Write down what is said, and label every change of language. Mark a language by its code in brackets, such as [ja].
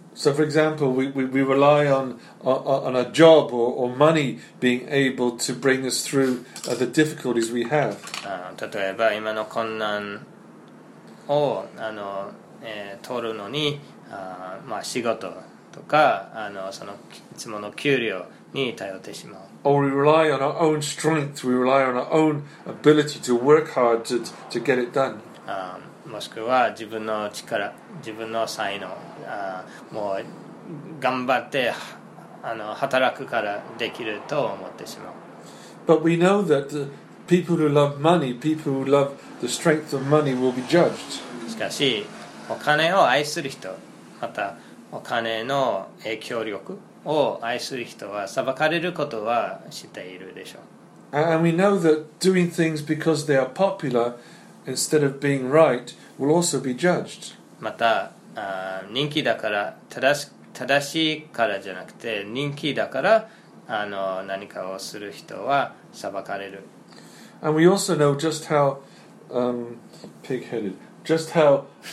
[en] So for example, we rely on a job or money being able to bring us through the difficulties we have. [ja] 例えば今の困難をあの、通るのに、まあ、仕事とかあのそのいつもの給料に頼ってしまう。 [en] Or we rely on our own strength, we rely on our own ability to work hard to get it done. [ja] もしくは自分の力、自分の才能、もう頑張ってあの働くからできると思ってしまう。 [en] But we know that the people who love money, people who love the strength of money will be judged. [ja] しかし、お金を愛する人、またお金の影響力を愛する人は裁かれることは知っているでしょう。 [en] And we know that doing things because they are popular. Instead of being right, will also be judged. [ja] また、人気だから正しいからじゃなくて人気だからあの何かをする人は裁かれる。 [en] And we also know just how pig-headed, just how